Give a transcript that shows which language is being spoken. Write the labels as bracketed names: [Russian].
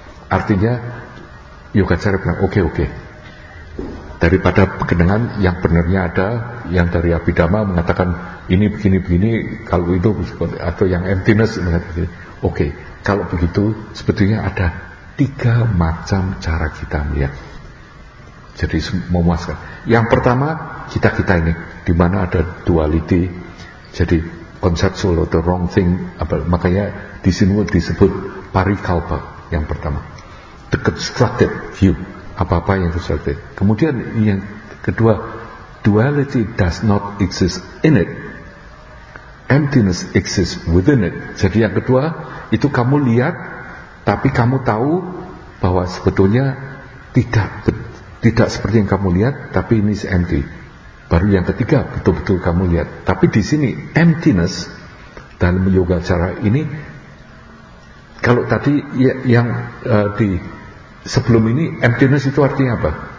[Indonesian] Artinya yogacara bilang oke. Daripada kedengaran yang benarnya ada, yang dari Abhidhamma mengatakan ini begini-begini, kalau itu atau yang emptiness mengatakan oke. Kalau begitu sebetulnya ada tiga macam cara kita melihat. Jadi memuaskan. Yang pertama kita ini di mana ada duality. Jadi [English] conceptual the wrong thing. [Indonesian] Makanya di sini disebut parikalpa yang pertama. [English] The constructed view. [Indonesian] Apa-apa yang constructed. Kemudian yang kedua, [English] duality does not exist in it. Emptiness exists within it. [Indonesian] Jadi yang kedua itu kamu lihat, tapi kamu tahu bahwa sebetulnya tidak seperti yang kamu lihat, tapi ini [English] is empty. [Indonesian] Baru yang ketiga, betul-betul kamu lihat. Tapi di sini, emptiness dalam yoga cara ini, kalau tadi yang di sebelum ini, emptiness itu artinya apa?